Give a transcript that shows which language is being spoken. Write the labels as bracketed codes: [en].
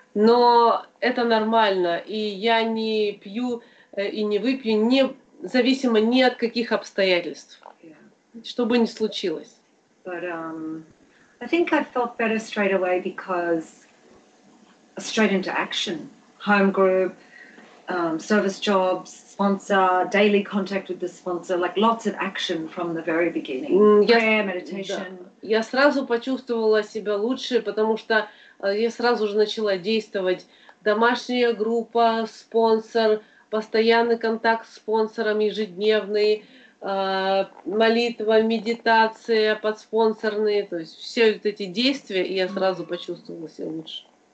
[ru] Но это нормально, и я не пью и не выпью, независимо ни от каких обстоятельств, [en] yeah. [ru] Что бы ни случилось. [en] But I think I felt better straight away because straight into action, home group, service jobs, sponsor, daily contact with the sponsor, like lots of action from the very beginning. Prayer, meditation. [ru] Да. Я сразу почувствовала себя лучше, потому что я сразу же начала действовать. Домашняя группа, спонсор, постоянный контакт с спонсором ежедневный, молитва, медитация, подспонсорные, то есть все вот эти действия, и я сразу почувствовала себя лучше.